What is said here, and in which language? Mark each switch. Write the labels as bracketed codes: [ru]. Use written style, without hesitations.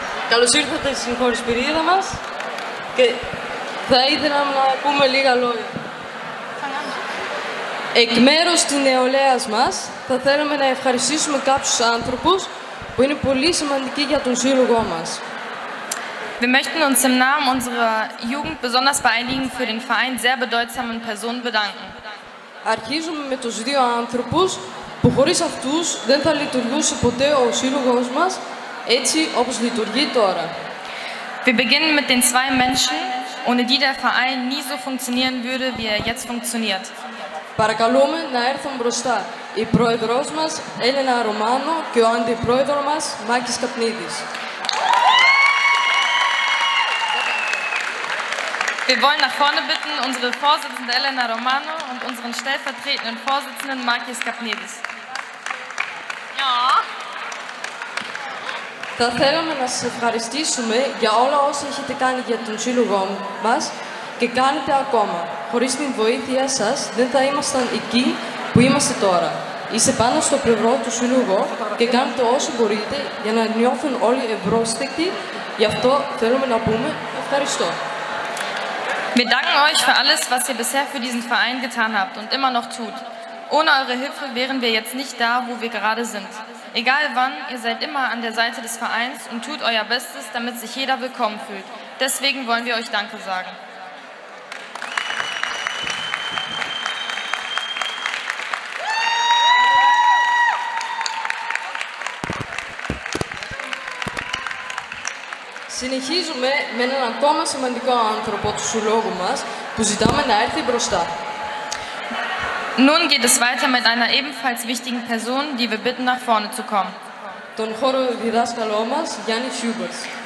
[el] Καλώς ήρθατε στην χορισπηρίδα μας και θα ήθελα να πούμε λίγα λόγια. Εκ μέρους της νεολαίας μας θα θέλαμε να ευχαριστήσουμε κάποιους άνθρωπους που είναι πολύ σημαντικοί για τον σύλλογό μας. [de] Wir möchten uns im Namen unserer Jugend besonders bei einigen für den Verein sehr bedeutsamen Personen bedanken. [el] Αρχίζουμε με τους δύο άνθρωπους που χωρίς αυτούς δεν θα λειτουργούσε ποτέ ο σύλλογός μας έτσι όπως λειτουργεί τώρα. [de] Wir beginnen mit den zwei Menschen, ohne die der Verein nie so funktionieren würde, wie jetzt funktioniert. [el] Παρακαλούμε να έρθουν μπροστά η πρόεδρός μας, Έλενα Ρωμάνο, και ο αντιπρόεδρος μας, Μάκης Καπνίδης. [de] Wir wollen nach vorne bitten unsere Vorsitzende Elena Romano und unseren stellvertretenden Vorsitzenden Markis Kapnidis. Ja. [el] Θα θέλαμε να σας ευχαριστήσουμε για όλα όσα έχετε κάνει για τον σύλλογό μας και κάνετε ακόμα. Χωρίς την βοήθεια σας δεν θα ήμασταν εκεί που είμαστε τώρα. Είστε πάνω στο πλευρό του σύλλογου και κάνετε όσο μπορείτε για να νιώθουν όλοι ευρώστικοι. Γι' αυτό θέλουμε να πούμε ευχαριστώ. [de] Wir danken euch für alles, was ihr bisher für diesen Verein getan habt und immer noch tut. Ohne eure Hilfe wären wir jetzt nicht da, wo wir gerade sind. Egal wann, ihr seid immer an der Seite des Vereins und tut euer Bestes, damit sich jeder willkommen fühlt. Deswegen wollen wir euch Danke sagen. [el] Συνεχίζουμε με έναν ακόμα σημαντικό άνθρωπο του συλλόγου μας που ζητάμε να έρθει μπροστά. [de] Nun geht es weiter mit einer ebenfalls wichtigen Person, die wir bitten, nach vorne zu kommen. [el] Τον χώρο διδάσκαλό μας, Γιάννη Σιούμπερς.